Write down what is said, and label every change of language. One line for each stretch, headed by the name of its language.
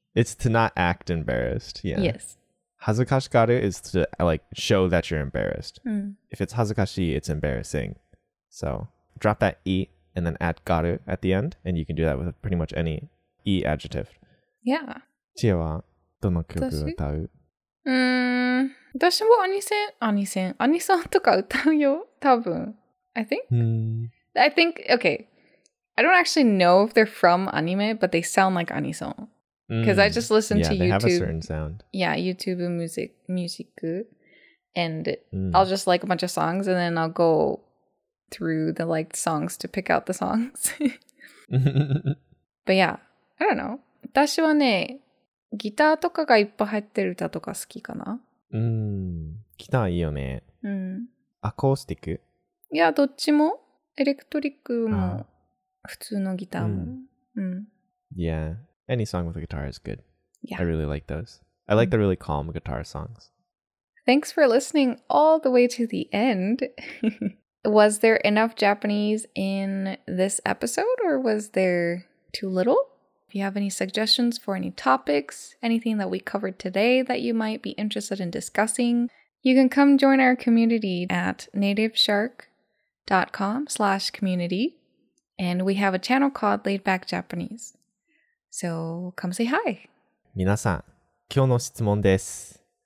English: It's to not act embarrassed. Yeah. Yes. 恥ずかしがる is to like show that you're embarrassed. If it's 恥ずかしい, it's embarrassing. So drop that e and then add garu at the end, and you can do that with pretty much any e adjective. Yeah.
Japanese: チアはどの曲を歌う? 私もアニソンとか歌うよ、多分.
English: I think okay. I don't actually know if they're from anime, but they sound like anison. Because I just listen to YouTube. They have a certain sound. Yeah, YouTube music. And I'll just like a bunch of songs and then I'll go through the liked songs to pick out the songs. But yeah, I don't know.
Japanese: 私はね、 ギターとかがいっぱい入ってる歌とか好きかな? ギターいいよね。アコースティック? いや、どっちも?エレクトリックも。普通のギターも。
English: Yeah. Any song with a guitar is good. Yeah. I really like those. I like the really calm guitar songs. Thanks for listening all the way to the end. Was there enough Japanese in this episode or was there too little? If you have any suggestions for any topics, anything that we covered today that you might be interested in discussing, you can come join our community at nativeshark.com/community. And we have a channel called Laid Back Japanese. So, come say hi.
Japanese: 皆さん、今日の質問です。